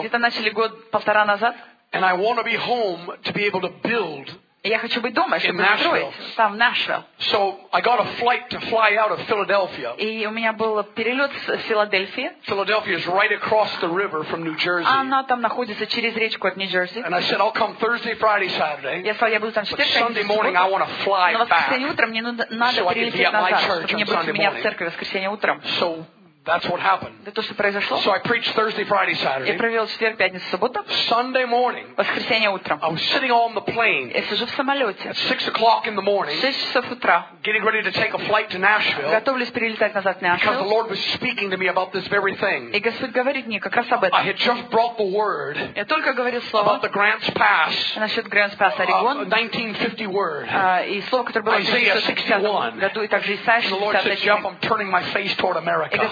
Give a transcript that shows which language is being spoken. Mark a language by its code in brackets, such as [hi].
[ru] Где-то начали год полтора назад. [en] And I want to be home to be able to build. [ru] Я хочу быть дома, чтобы строить там, в Нэшвилл. [en] So I got a flight to fly out of Philadelphia. [ru] И у меня был перелет с Филадельфии. [en] Philadelphia is right across the river from New Jersey. [ru] Она там находится через речку от Нью-Джерси. [en] And I said I'll come Thursday, Friday, Saturday. [ru] Я сказал, я буду там четверг, пятница. [en] But Sunday morning I want to fly back. [ru] Но воскресенье утром мне надо прилететь назад, чтобы не быть у меня в церкви воскресенье утром. [en] So that's what happened. [ru] Это то, что произошло. [en] So I preached Thursday, Friday, Saturday. [ru] Я провел четверг, пятницу, субботу. [en] Sunday morning. [ru] Воскресенье утром. [en] I was sitting on the plane. [ru] Я сижу в самолете. [en] At 6 o'clock in the morning. [ru] 6 часов утра. [en] Getting ready to take a flight to Nashville. [ru] Готовлюсь перелетать назад в Нэшвилл. [en] Because the Lord was speaking to me about this very thing. [ru] И Господь говорит мне как раз об этом. [en] I had just brought the word. [ru] Я только говорил слово. [en] About the Grants Pass. [ru] Насчет Grants Pass, Орегон. [en] 1950 word. [ru] И слово, которое было в 1960 году, и также Исаия 61. [en] And the Lord said, Jeff, I'm turning my face toward America.